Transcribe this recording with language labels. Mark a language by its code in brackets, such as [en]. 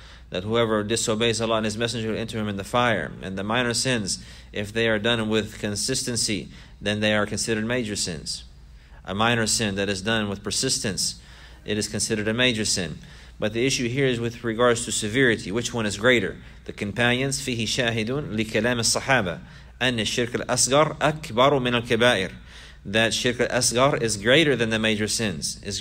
[en] That whoever disobeys Allah and His Messenger will enter him in the fire. And the minor sins, if they are done with consistency, then they are considered major sins. A minor sin that is done with persistence, it is considered a major sin. But the issue here is with regards to severity. Which one is greater? The companions, [ar] فِيهِ شَاهِدٌ لِكَلَامِ الصَّحَابَةِ أَنَّ الشِّرْكَ الْأَصْغَرُ أَكْبَرُ مِنَ الْكَبَائِرِ. [en] That shirk al-asgar is greater than the major sins.